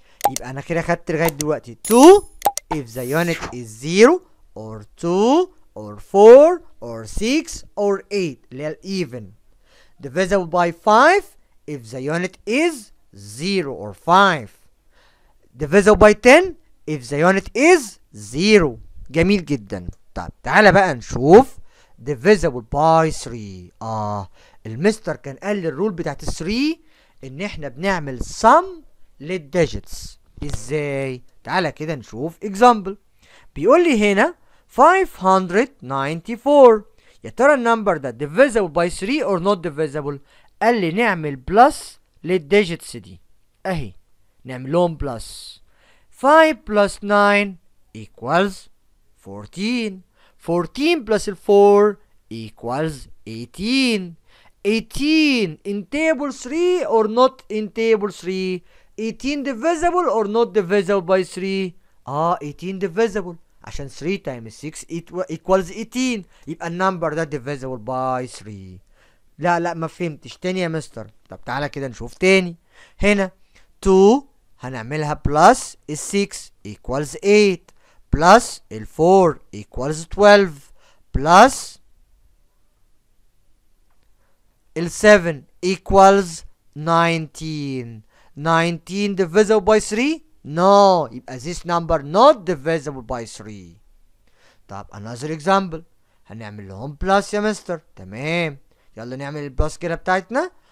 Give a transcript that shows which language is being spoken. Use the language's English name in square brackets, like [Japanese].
[Arabic] يبقى انا كده خدت لغايه دلوقتي [English] 2 if the unit is 0 or 2 or 4 or 6 or 8 اللي even. Divisible by 5 if the unit is 0 or 5. Divisible by 10 if the unit is 0. [Arabic] جميل جدا. طب تعالى بقى نشوف divisible by 3. المستر كان قال لي الرول بتاعت 3 ان احنا بنعمل sum للديجيتس. ازاي؟ تعالى كده نشوف example. بيقول لي هنا 594. يا ترى النمبر ده [English] divisible by 3 or not divisible؟ [Arabic] قال لي نعمل plus للديجيتس دي. اهي نعملهم plus. [English] 5 plus 9 equals 14. 14 plus 4 equals 18. 18 in table 3 or not in table 3? 18 divisible or not divisible by 3? 18 divisible. عشان 3 times 6 equals 18. [Arabic] يبقى النمبر ده [English] divisible by 3. [Arabic] لا ما فهمتش تاني يا مستر. طب تعالى كده نشوف تاني. هنا 2 هنعملها [English] plus 6 equals 8. Plus ال 4 equals 12. Plus ال 7 equals 19 divisible by 3 no يبقى this number not divisible by 3 طب another example [Arabic] هنعمل لهم [English] plus [Arabic] يا مستر تمام يلا نعمل البلس كده بتاعتنا